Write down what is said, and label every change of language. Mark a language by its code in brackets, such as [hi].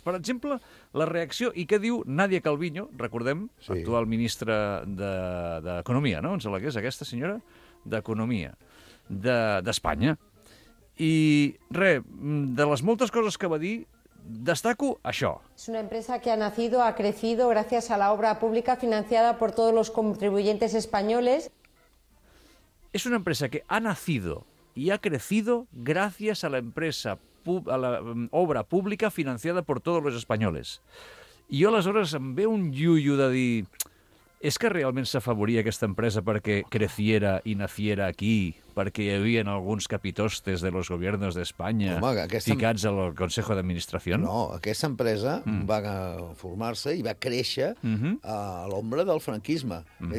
[ca] Per exemple, la reacció, i què diu Nadia Calviño, recordem, actual ministra d'Economia, no? Em sembla que és aquesta senyora d'Economia, d'Espanya. I, de les moltes coses que va dir, destaco això. [es] Es una empresa que ha nacido, ha crecido, gracias a la obra pública financiada por todos los contribuyentes españoles. És una empresa que ha nacido... y ha crecido gracias a la empresa, a la obra pública financiada por todos los españoles. [ca] I jo aleshores em ve un lluio de dir, és que realment s'afavoria aquesta empresa perquè [es] creciera i naciera [ca] aquí, perquè hi havia alguns capitostes [es] de los gobiernos [ca] d'Espanya ficats al Consejo de Administración? No, aquesta empresa va formar-se i va créixer a l'ombra del franquisme. Mm-hmm.